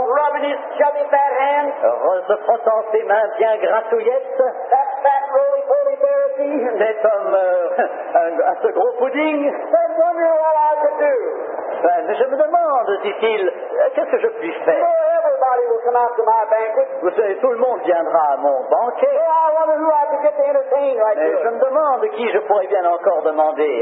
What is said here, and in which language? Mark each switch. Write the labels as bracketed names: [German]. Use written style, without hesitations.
[English] Rubbing his chubby fat hands. [French] Se frottant ses mains bien gratouillettes. [English] That fat roly-poly Pharisee. [French] C'est comme ce gros pudding. [English] I'm wondering what I can do. [French] Ben, je me demande, dit-il, qu'est-ce que je puis faire? [English] You know, everybody will come out to my banquet. [French] Vous savez, tout le monde viendra à mon banquet. [English] Yeah, I wonder who I can get to entertain right [French] here. Je me demande qui je pourrais bien encore demander.